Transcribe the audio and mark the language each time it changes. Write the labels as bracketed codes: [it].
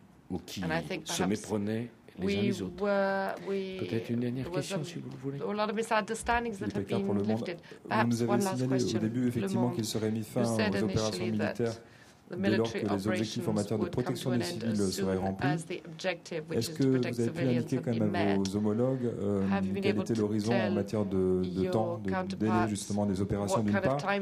[fr] Ou qui se méprenaient les uns les autres. Peut-être une dernière question, si vous le voulez. [en] A lot of misunderstandings that have been lifted. [fr] Vous nous avez signalé au début, effectivement, qu'il serait mis fin aux opérations militaires dès lors que les objectifs en matière de protection des civils seraient remplis. Est-ce que vous avez pu indiquer quand même à vos homologues quel était l'horizon en matière de temps, de délai justement des opérations d'une part?